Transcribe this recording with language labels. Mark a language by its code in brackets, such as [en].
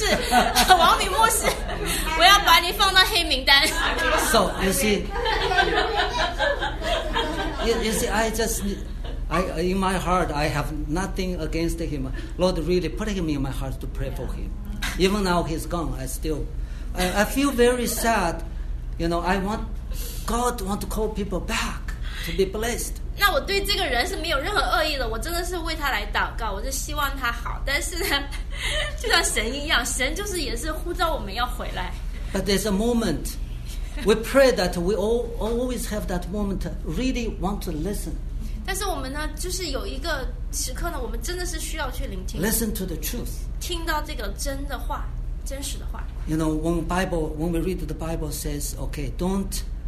[zh] 他回复就是王李牧师，我要把你放到黑名单。 [en] So you see, I in my heart, I have nothing against him. Lord, really put him in my heart to pray for him. Even now he's gone, I feel very sad. You know, I want God want to call people back to be blessed. [zh] 那我对这个人是没有任何恶意的，我真的是为他来祷告，我就希望他好。但是呢，就像神一样，神就是也是呼召我们要回来。 [en] But there's a moment, we pray that we always have that moment, really want to listen. [zh] 但是我们呢，就是有一个时刻呢，我们真的是需要去聆听。 [en] Listen to the truth. [zh] 听到这个真的话，真实的话。 [en] You know, when we read the Bible says, okay, don't.